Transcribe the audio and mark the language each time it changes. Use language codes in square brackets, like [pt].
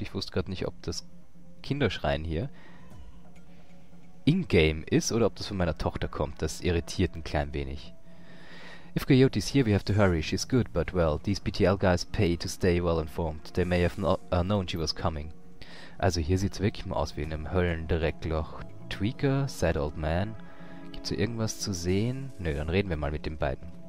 [de] Ich wusste gerade nicht, ob das Kinderschreien hier in-game ist oder ob das von meiner Tochter kommt. Das irritiert ein klein wenig. [en] If Coyote's here, we have to hurry. She's good, but well, these BTL guys pay to stay well informed. They may have no known she was coming. [de] Also hier sieht's wirklich mal aus wie in einem Höllendreckloch. [en] Tweaker, sad old man. [de] Gibt's hier irgendwas zu sehen? Nö, dann reden wir mal mit den beiden.